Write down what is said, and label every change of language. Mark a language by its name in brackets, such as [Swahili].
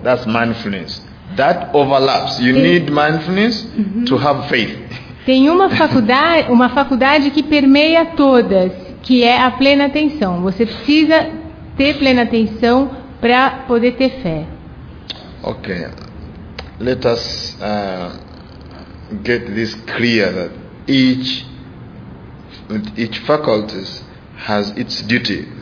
[English] That's mindfulness. That overlaps. You need mindfulness to have faith. [Portuguese] Tem uma faculdade que permeia todas, que é a plena atenção. Você precisa ter plena atenção para poder ter fé. [English] Okay. Let us get this clear that each faculty has its duty.